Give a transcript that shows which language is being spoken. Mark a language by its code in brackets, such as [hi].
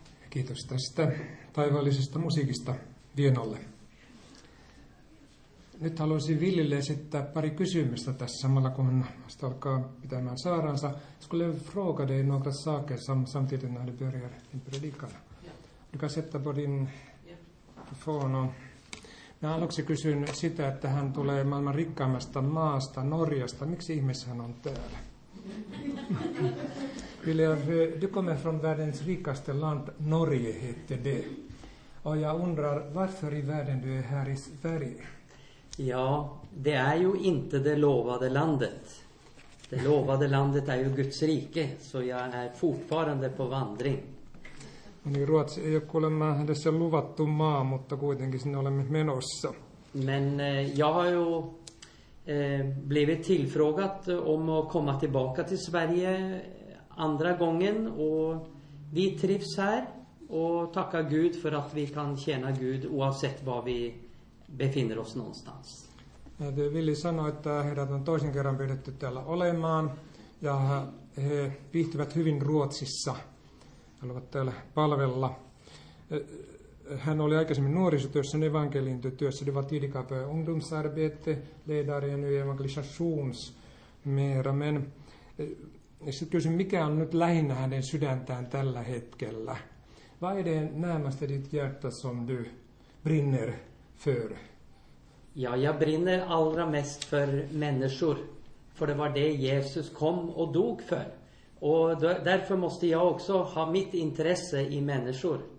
[fi] Kiitos tästä taivaallisesta musiikista Vienolle. Nyt haluaisin Villille esittää pari kysymystä tässä samalla, kun hän alkaa pitämään saaransa. [sv] Skulle jag fråga dig några saker samtidigt när du börjar din predikan? Du kan sätta på din telefonon. [fi] Mä aluksi kysyn sitä, että hän tulee maailman rikkaimmasta maasta, Norjasta. Miksi ihmeessä hän on täällä? [sv] Ville, du kommer från världens rikaste land, Norge heter det. Och jag undrar, varför i världen du är här i Sverige? Ja, det är ju inte det lovade landet. Det lovade landet är ju Guds rike, så jag är fortfarande på vandring. [fi] Niin, Ruotsi ei ole kuulemma edessä luvattu maa, mutta kuitenkin sinne olemme menossa. [sv] Men jag har ju blivit tillfrågat om att komma tillbaka till Sverige andra gången. Och vi trivs här och tackar Gud för att vi kan tjäna Gud oavsett var vi befinner oss någonstans. Det vill jag säga att [fi] heidät on toisen kerran pyydetty täällä olemaan ja he viihtyvät hyvin Ruotsissa. Haluavat täällä palvella. Hän oli aikaisemmin nuorisotyössä, evankeliin työssä, [sv] det var tidigare på ungdomsarbete, ledare ja nu evangelisations mera. [fi] Men sitten kysyn, mikä on nyt lähinnä hänen sydäntään tällä hetkellä? [sv] Vad är det närmaste ditt hjärta som du brinner för? Ja, jag brinner allra mest för människor. För det var det Jesus kom och dog för. Och därför måste jag också ha mitt intresse i människor.